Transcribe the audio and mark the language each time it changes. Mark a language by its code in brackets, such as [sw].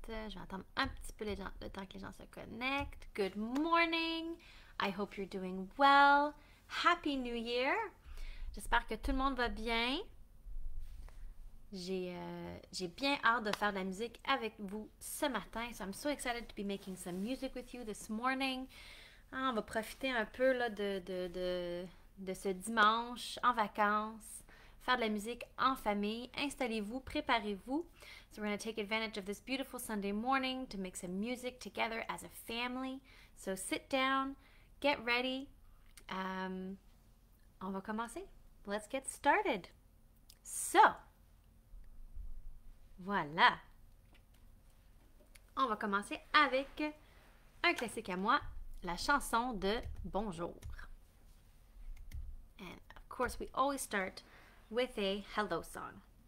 [fr] Je vais attendre un petit peu le temps que les gens se connectent. [en] Good morning. I hope you're doing well. Happy New Year. [fr] J'espère que tout le monde va bien. J'ai bien hâte de faire de la musique avec vous ce matin. [en] So I'm so excited to be making some music with you this morning. [fr] On va profiter un peu là, de ce dimanche en vacances, faire de la musique en famille. Installez-vous, préparez-vous. [en] So we're going to take advantage of this beautiful Sunday morning to make some music together as a family. So sit down, get ready. [fr] On va commencer. [en] Let's get started. [fr] So, voilà. On va commencer avec un classique à moi, la chanson de Bonjour. [en] And of course, we always start with a hello song.